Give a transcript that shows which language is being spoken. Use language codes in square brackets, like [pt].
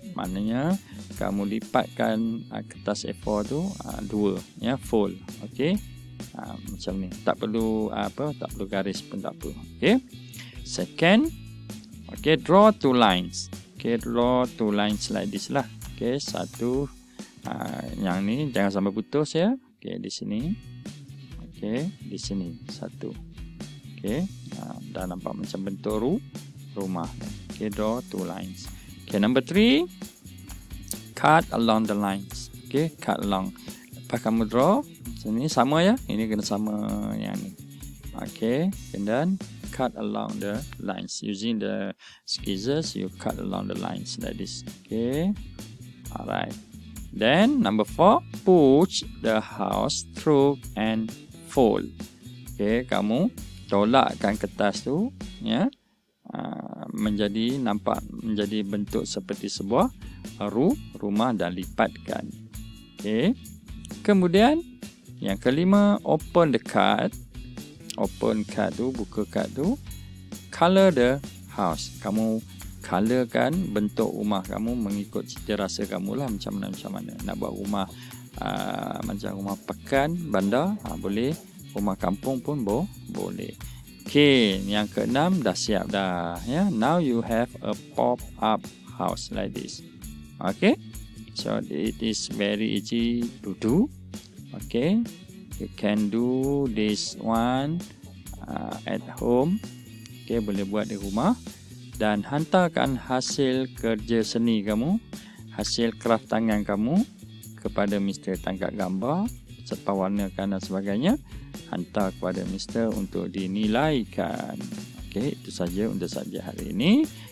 [ms] Maknanya kamu lipatkan kertas A4 tu dua ya, fold. Okay, macam ni. Tak perlu apa, tak perlu garis pun tak perlu. Okay. [en] Second, okay, draw two lines. Okay, draw two lines like this lah. [ms] Okay, satu yang ni jangan sampai putus ya. Okay, di sini. Okay, di sini satu. Okay, dah nampak macam bentuk rumah. [en] Okay, draw two lines. Okay, number three, cut along the lines. Okay, cut along. [ms] Lepas kamu draw, sini sama ya. Ini kena sama yang ni. [en] Okay, and then cut along the lines using the scissors. You cut along the lines like this. Okay, alright. Then number four, push the house through and fold. [ms] Okay, kamu tolakkan kertas tu ya, menjadi nampak menjadi bentuk seperti sebuah rumah dan lipatkan. [en] Okay, [ms] kemudian yang kelima, [en] open the card. Open card tu, [ms] buka card tu, [en] color the house. [ms] Kamu colorkan bentuk rumah kamu mengikut cita rasa kamu lah, macam mana macam mana nak buat rumah, macam rumah pekan, bandar, boleh. Rumah kampung pun boleh. Okay, yang keenam dah siap dah. Ya, yeah? [en] Now you have a pop-up house like this. Okay, so it is very easy to do. Okay, you can do this one at home. [ms] Okay, boleh buat di rumah. Dan hantarkan hasil kerja seni kamu, hasil kraft tangan kamu kepada Mr. Tangkap Gambar, serta warnakan dan sebagainya. Hantar kepada Mister untuk dinilaikan. Okay, itu saja untuk saja hari ini.